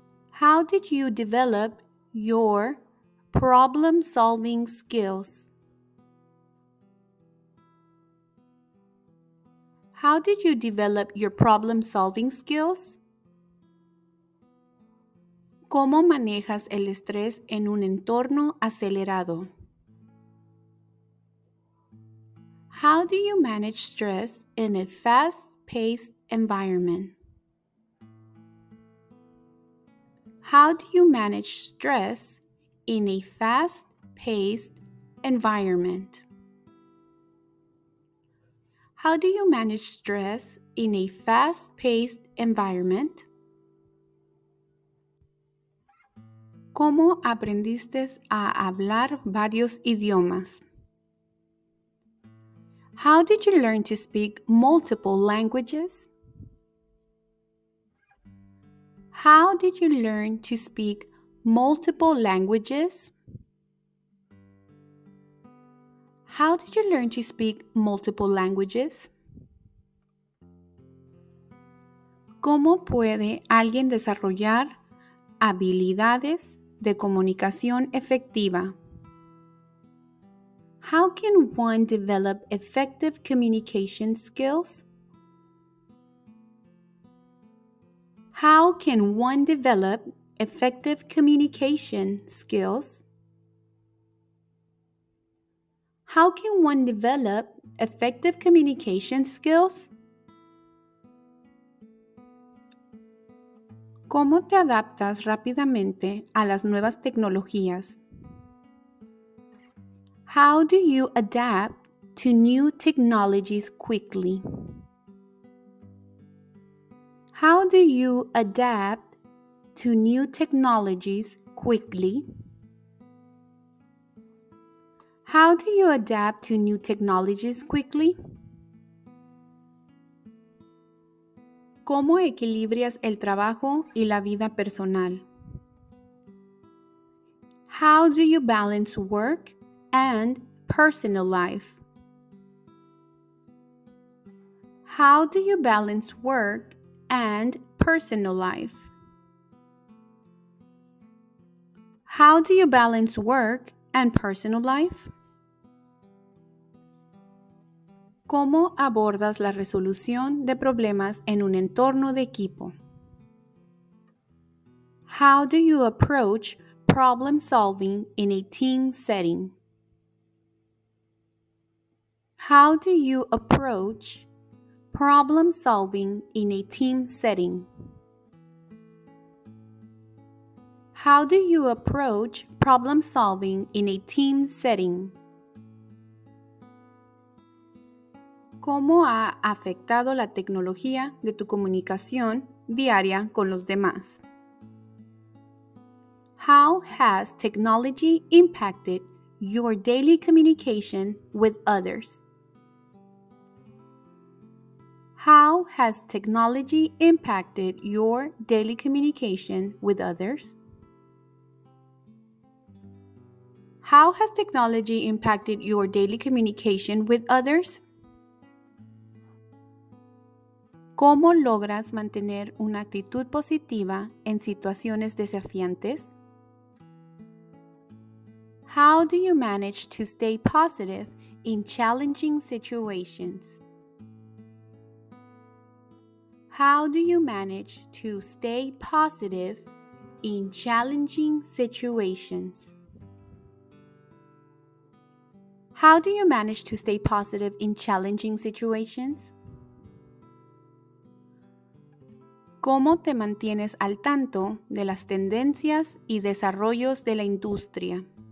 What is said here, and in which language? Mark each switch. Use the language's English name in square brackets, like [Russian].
[English] How did you develop your problem-solving skills? How did you develop your problem-solving skills? [Spanish] ¿Cómo manejas el estrés en un entorno acelerado? [English] How do you manage stress in a fast-paced environment? How do you manage stress in a fast-paced environment? How do you manage stress in a fast-paced environment? [Spanish] ¿Cómo aprendiste a hablar varios idiomas? [English] How did you learn to speak multiple languages? How did you learn to speak multiple languages? How did you learn to speak multiple languages? [Spanish] ¿Cómo puede alguien desarrollar habilidades de comunicación efectiva? [English] How can one develop effective communication skills? How can one develop effective communication skills? How can one develop effective communication skills? [Spanish] ¿Cómo te adaptas rápidamente a las nuevas tecnologías? [English] How do you adapt to new technologies quickly? How do you adapt to new technologies quickly? How do you adapt to new technologies quickly? [Spanish] ¿Cómo equilibrias el trabajo y la vida personal? [English] How do you balance work and personal life? How do you balance work and personal life? How do you balance work and personal life? [Spanish] ¿Cómo abordas la resolución de problemas en un entorno de equipo? [English] How do you approach problem solving in a team setting? How do you approach problem solving in a team setting? How do you approach problem solving in a team setting? [Spanish] ¿Cómo ha afectado la tecnología de tu comunicación diaria con los demás? [English] How has technology impacted your daily communication with others? How has technology impacted your daily communication with others? How has technology impacted your daily communication with others? [Spanish] ¿Cómo logras mantener una actitud positiva en situaciones desafiantes? [English] How do you manage to stay positive in challenging situations? How do you manage to stay positive in challenging situations? How do you manage to stay positive in challenging situations? [Spanish] ¿Cómo te mantienes al tanto de las tendencias y desarrollos de la industria?